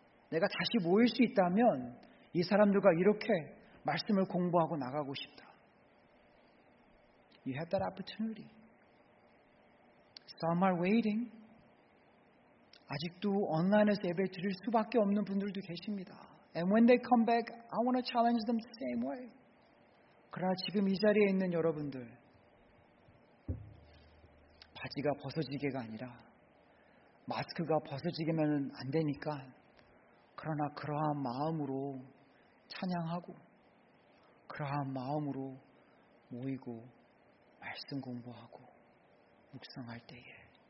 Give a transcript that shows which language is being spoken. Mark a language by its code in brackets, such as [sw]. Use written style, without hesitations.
[ko] 내가 다시 모일 수 있다면 이 사람들과 이렇게 말씀을 공부하고 나가고 싶다. [en] You have that opportunity. Some are waiting. [ko] 아직도 온라인에서 예배 드릴 수밖에 없는 분들도 계십니다. [en] And when they come back, I want to challenge them the same way. [ko] 그러나 지금 이 자리에 있는 여러분들, 바지가 벗어지게가 아니라 마스크가 벗어지게면 안 되니까 그러나 그러한 마음으로 찬양하고 그러한 마음으로 모이고 말씀 공부하고 묵상할 때에